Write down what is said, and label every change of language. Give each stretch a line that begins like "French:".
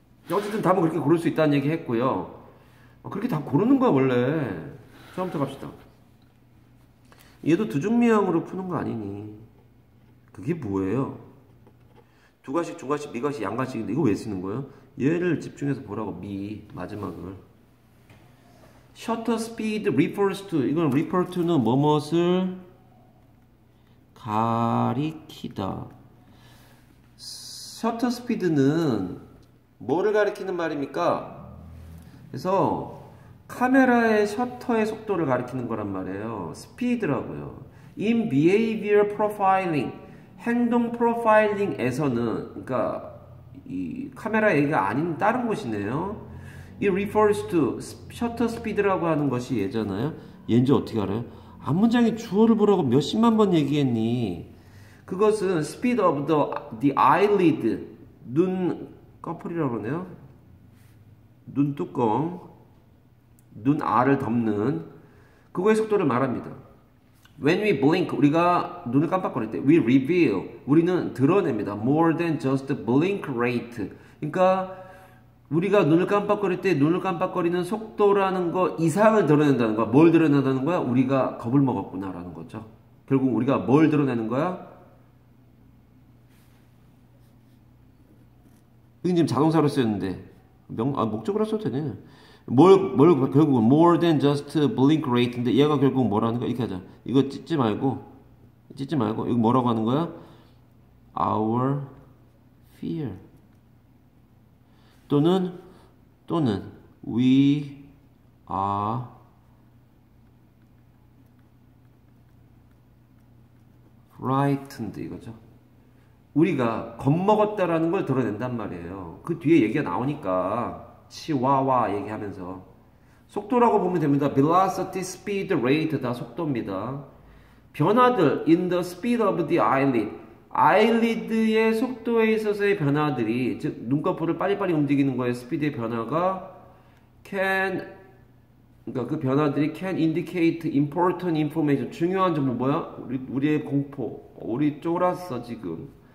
Korean: 어쨌든 답은 그렇게 고를 수 있다는 얘기 했고요. 그렇게 다 고르는 거야 원래. 처음부터 갑시다. 얘도 두중미항으로 푸는 거 아니니? 그게 뭐예요? 두 가지, 두 가지, 미가지, 양가지인데 이거 왜 쓰는 거예요? 얘를 집중해서 보라고. 미 마지막을.
English: Shutter speed refers to,
Korean: 이건 refer to는 뭐뭇을 가리키다. Shutter speed는 뭐를 가리키는 말입니까? 그래서 카메라의 셔터의 속도를 가리키는 거란 말이에요.
English: Speed라고요. In behavior profiling.
Korean: 행동 프로파일링에서는, 그러니까 이 카메라 얘기가 아닌 다른 곳이네요.
English: It refers to
Korean: 셔터 스피드라고 하는 것이 얘잖아요. 얘인지 어떻게 알아요? 앞 문장에 주어를 보라고 몇십만 번 얘기했니? 그것은
English: speed of the eyelid,
Korean: 눈꺼풀이라고 그러네요. 눈뚜껑, 눈알을 덮는 그거의 속도를 말합니다.
English: When we blink,
Korean: 우리가 눈을 깜빡거릴 때,
English: we reveal,
Korean: 우리는 드러냅니다.
English: More than just blink rate.
Korean: 그러니까 우리가 눈을 깜빡거릴 때 눈을 깜빡거리는 속도라는 거 이상을 드러낸다는 거야. 뭘 드러낸다는 거야? 우리가 겁을 먹었구나라는 거죠. 결국 우리가 뭘 드러내는 거야? 이건 지금 자동사로 쓰였는데 목적으로 써도 되네. 결국은
English: more than just blink rate
Korean: 인데 얘가 결국 뭐라는 거야? 이렇게 하자. 이거 찢지 말고 이거 뭐라고 하는 거야?
English: Our fear
Korean: 또는
English: we are frightened
Korean: 이거죠. 우리가 겁먹었다라는 걸 드러낸단 말이에요. 그 뒤에 얘기가 나오니까 치와와 얘기하면서 속도라고 보면 됩니다. Velocity, speed, rate 다 속도입니다. 변화들
English: in the speed of the eyelid.
Korean: 아이리드의 속도에 있어서의 변화들이, 즉 눈꺼풀을 빨리빨리 움직이는 거에 스피드의 변화가 그러니까 그 변화들이
English: can indicate important information,
Korean: 중요한 정보, 뭐야? 우리의 공포, 우리 쫄았어 지금.